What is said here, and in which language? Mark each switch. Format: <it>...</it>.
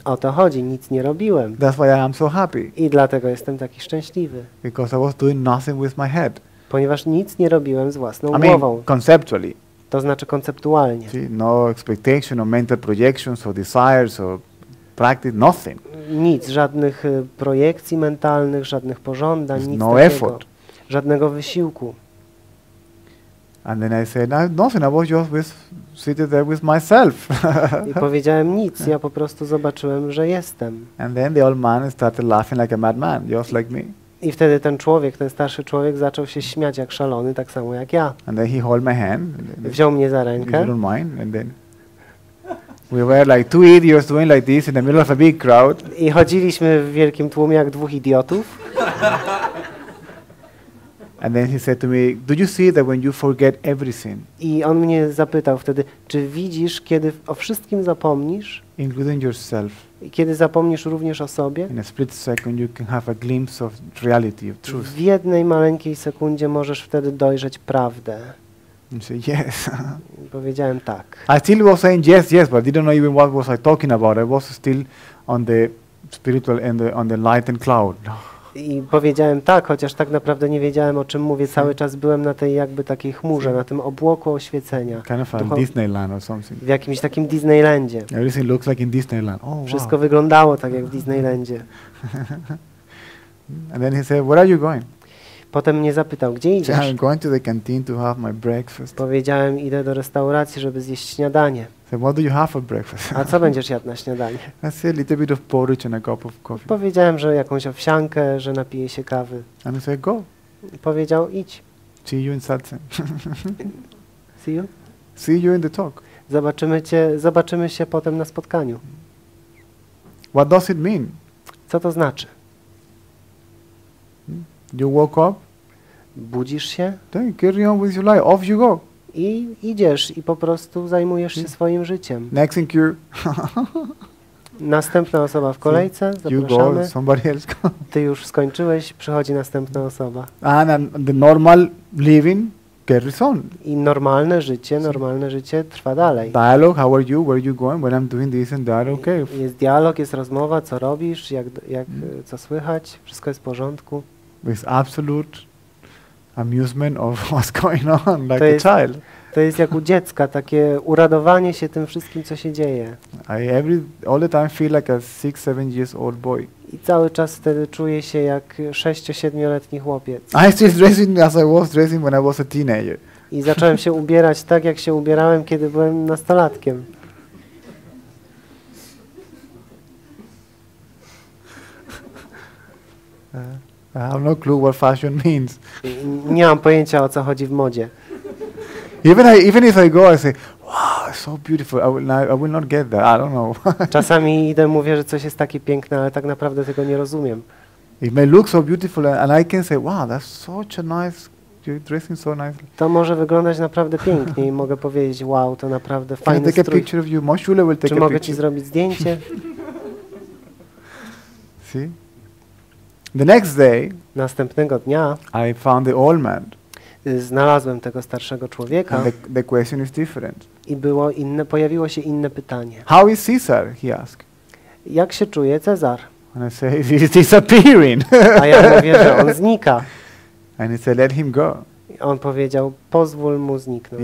<pl>O to chodzi, nic nie robiłem.</pl> <en>That's why I am so happy.</en> <pl>I dlatego jestem taki szczęśliwy.</pl> <en>Because I was doing nothing with my head.</en> <pl>Ponieważ nic nie robiłem z własną</pl> <en>I</en> <pl>głową.</pl> <en>Mean, conceptually.</en> <pl>To znaczy konceptualnie.</pl> <en>See, no expectation or mental projections or desires or practice, nothing.</en> <pl>Nic, żadnych projekcji mentalnych, żadnych pożądań,</pl> <en>There's</en> <pl>nic</pl> <en>no</en> <pl>takiego.</pl> <en>Effort.</en> <pl>Żadnego wysiłku.</pl> <en>And then I said, nothing, I was just sitting there with myself.</en> <pl>I powiedziałem nic, ja po prostu zobaczyłem, że jestem.</pl> <en>And then the old man started laughing like a madman, just like me.</en> <pl>I wtedy ten człowiek, ten starszy człowiek zaczął się śmiać jak szalony, tak samo jak ja.</pl> <en>And then he held my hand.</en> <pl>Wziął mnie za rękę.</pl> <en>You don't mind, and then we were like two idiots doing like this in the middle of a big crowd.</en> <pl>I chodziliśmy w wielkim tłumie jak dwóch idiotów.</pl> <en>And then he said to me, "Do you see that when you forget everything?"</en> <pl>I on mnie zapytał wtedy, czy widzisz, kiedy o wszystkim zapomnisz,</pl> <en>including yourself,</en> <pl>kiedy zapomnisz również o sobie,</pl> <en>in a split second you can have a glimpse of reality, of truth.</en> <pl>W jednej maleńkiej sekundzie możesz wtedy dojrzeć prawdę.</pl> <en>I said yes.</en> <pl>Powiedziałem tak.</pl> <en>I still was saying yes, but I didn't know even what was I talking about. I was still on the spiritual in the, on the light and cloud.</en> <pl>I powiedziałem tak, chociaż tak naprawdę nie wiedziałem, o czym mówię. Cały czas byłem na tej jakby takiej chmurze, na tym obłoku oświecenia.</pl> <en>Kind of like Disneyland or something.</en> <pl>W jakimś takim Disneylandzie.</pl> <en>Everything looks like in Disneyland. Oh,</en> <pl>wszystko</pl> <en>wow.</en> <pl>Wyglądało tak jak w Disneylandzie.</pl> <en>And then he said, where are you going?</en> <pl>Potem mnie zapytał, gdzie idziesz?</pl> <en>I'm going to the canteen to have my breakfast.</en> <pl>Powiedziałem, idę do restauracji, żeby zjeść śniadanie.</pl> <en>So what do you have for breakfast?</en> <pl>A co będziesz jadł na śniadanie?</pl> <en>I said, a little bit of porridge and a cup of coffee.</en> <pl>Powiedziałem, że jakąś owsiankę, że napiję się kawy.</pl> <en>And he said, go.</en> <pl>Powiedział, idź.</pl> <en>See you in satsang. See you? See you in the talk.</en> <pl>Zobaczymy się potem na spotkaniu.</pl> <en>What does it mean?</en> <pl>Co to znaczy?</pl> <en>You woke up?</en> <pl>Budzisz się?</pl> <en>Then carry on with your life. Off you go.</en> <pl>I idziesz i po prostu zajmujesz się swoim życiem.</pl> <en>Next in queue.</en> <pl>Następna osoba w kolejce.</pl> <en>You go, somebody else go.</en> <pl>Ty już skończyłeś, przychodzi następna osoba.</pl> <en>And the normal living carries on.</en> <pl>I normalne życie trwa dalej.</pl> <en>Dialogue, how are you? Where are you going? When I'm doing this and that, okay.</en> <pl>Jest dialog, jest rozmowa, co robisz, jak co słychać, wszystko jest w porządku.</pl> <en>With absolute amusement of what's going on, like a child.</en> <pl>To jest jak u dziecka, takie uradowanie się tym wszystkim, co się dzieje.</pl> <en>All the time feel like a 6-7 years old boy.</en> <pl>I cały czas wtedy czuję się jak 6-7-letni chłopiec.</pl> <en>I still dressing as I was dressing when I was a teenager.</en> <pl>I zacząłem się ubierać tak, jak się ubierałem, kiedy byłem nastolatkiem.</pl> <en>I have no clue what fashion means.</en> <pl>Nie mam pojęcia, o co chodzi w modzie.</pl> <en>Even if I go, I say, wow, so beautiful. I will not get that. I don't know.</en> <pl>Czasami idę, mówię, że coś jest takie piękne, ale tak naprawdę tego nie rozumiem.</pl> <en>It may look so beautiful, and I can say, wow, that's such a nice. You're dressing so nicely.</en> <pl>To może wyglądać naprawdę pięknie i mogę powiedzieć, wow, to naprawdę fajny strój.</pl> <en>Can I take a picture of you? Moshule will take a picture.</en> <pl>Czy mogę ci zrobić zdjęcie?</pl> <en>See? The next day,</en> <pl>następnego dnia,</pl> <en>I found the old man.</en> <pl>Znalazłem tego starszego człowieka.</pl> <en>And the question is different.</en> <pl>I było inne, pojawiło się inne pytanie.</pl> <en>How is Caesar? He asked.</en> <pl>Jak się czuje Cezar?</pl> <en>And I said, he's disappearing.</en> <pl>A ja mówię, że on znika.</pl> <en>And he said, let him go.</en> <pl>I on powiedział, pozwól mu zniknąć.</pl>